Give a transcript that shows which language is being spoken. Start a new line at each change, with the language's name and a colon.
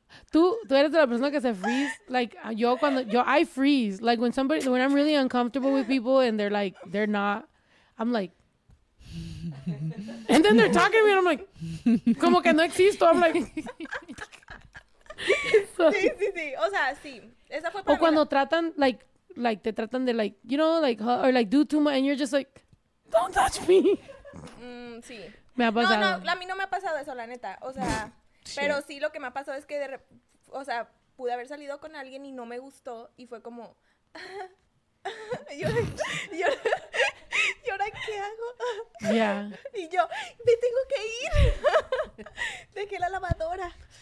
Spanish: Tú eres de la persona que se freeze.
English: Like, I freeze. Like, when I'm really uncomfortable with people and they're like, they're not, I'm like, and then they're talking to me and I'm like,
Spanish: como que no existo.
English: I'm like,
Spanish: sí, o sea, sí. Esa fue para o cuando tratan, like, te tratan de,
English: like, you know, like, huh, or, like, do too much, and you're just like, don't touch me.
Spanish: Sí. Me ha pasado. No, a mí no me ha pasado eso, la neta. O sea, pero sí, lo que me ha pasado es que, pude haber salido con alguien y no me gustó, y fue como, ¿y ahora qué hago?
English: Yeah.
Spanish: Y yo, me tengo que ir. Dejé la lavadora.